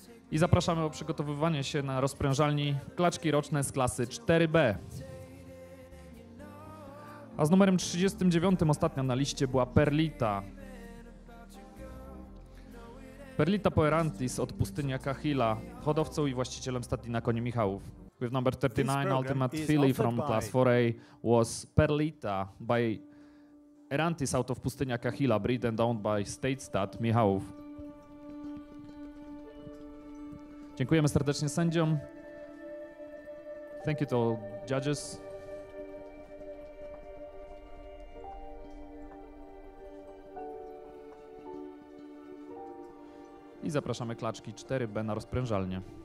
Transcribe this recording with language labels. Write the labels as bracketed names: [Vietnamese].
[Polish] I zapraszamy o przygotowywanie się na rozprężalni klaczki roczne z klasy 4B. A z numerem 39 ostatnia na liście była Perlita. Perlita Poerantis od pustyni Cahila, hodowcą i właścicielem stadni na koni Michałów. [English] With number 39, ultimate filly from class 4A was Perlita by Erantis out of pustynia Cahila, breed and owned by State Stud Michałów. [Polish] Dziękujemy serdecznie sędziom. [English] Thank you to all judges. [Polish] I zapraszamy klaczki 4B na rozprężalnię.